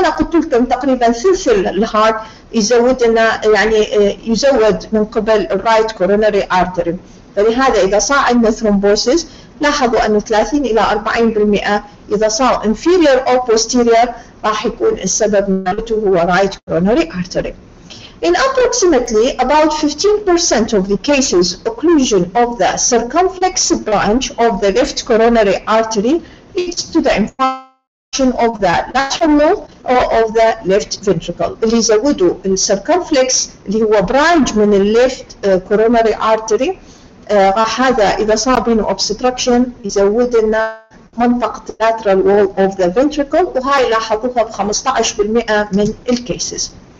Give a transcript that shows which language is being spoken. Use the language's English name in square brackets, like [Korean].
[Arabic] وأنا قلت لكم تقريبا ثلث الهارت يزود لنا يعني يزود من قبل right coronary artery. فلهذا إذا صار عندنا thrombosis لاحظوا أن 30 إلى 40% إذا صار inferior أو posterior راح يكون السبب مالته هو right coronary artery. [English] In approximately about 15% of the cases occlusion of the circumflex branch of the left coronary artery leads to the infarction of the lateral node or of the left ventricle. [Arabic] اللي يزودوا السيركمفلكس اللي هو branch من left coronary artery هذا إذا صار بينه obstruction يزود لنا منطقة [English] lateral wall of the ventricle [Arabic] وهاي لاحظوها ب 15% من الكيسز.